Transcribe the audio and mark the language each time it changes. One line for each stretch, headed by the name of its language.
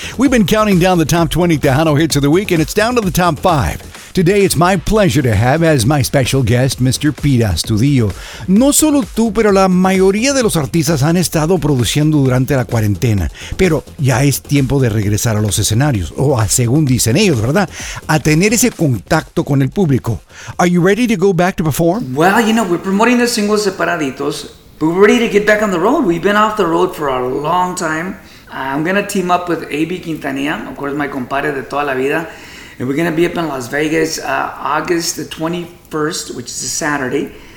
English: We've been counting down the top 20 Tejano hits of the week and it's down to the top 5. Today, it's my pleasure to have as my special guest, Mr. Pete Astudillo.
Spanish: No solo tú, pero la mayoría de los artistas han estado produciendo durante la cuarentena. Pero ya es tiempo de regresar a los escenarios, o a según dicen ellos, ¿verdad? A tener ese contacto con el público.
English: Are you ready to go back to perform? Well, you know, we're promoting the singles separaditos, but we're ready to get back on the road. We've been off the road for a long time. I'm going to team up with A.B. Quintanilla, of course, my
Spanish: compadre de toda la vida.
English: And we're going to be up in Las Vegas August the 21st, which is a Saturday.